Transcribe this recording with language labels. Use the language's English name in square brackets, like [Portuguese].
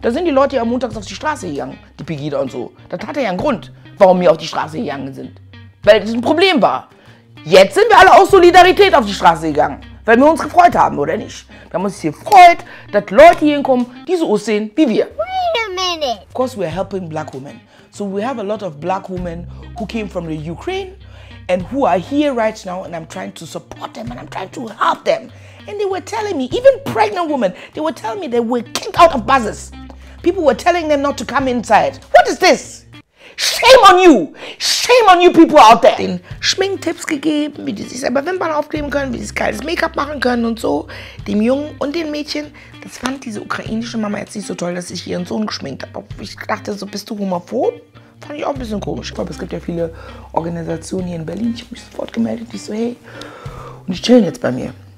[German] Da sind die Leute ja montags auf die Straße gegangen, die Pegida und so. Das hatte ja einen Grund, warum wir auf die Straße gegangen sind, weil das ein Problem war. Jetzt sind wir alle aus Solidarität auf die Straße gegangen, weil wir uns gefreut haben, oder nicht? Wir haben uns hier gefreut, dass Leute hier hinkommen, die so aussehen wie wir. [English] Wait a minute. Of course we are helping black women. So we have a lot of black women who came from the Ukraine and who are here right now and I'm trying to support them and I'm trying to help them. And they were telling me, even pregnant women, they were telling me they were kicked out of buses. People were telling them not to come inside. What is this? Shame on you! Shame on you people out there! [German] Den Schminktipps gegeben, wie die sich selber Wimpern aufkleben können, wie sie geiles Make-up machen können und so. Dem Jungen und den Mädchen, das fand diese ukrainische Mama jetzt nicht so toll, dass ich ihren Sohn geschminkt habe. Ich dachte so, bist du homophob? Fand ich auch ein bisschen komisch. Ich glaube, es gibt ja viele Organisationen hier in Berlin. Ich habe mich sofort gemeldet. Ich so, hey. Und die chillen jetzt bei mir.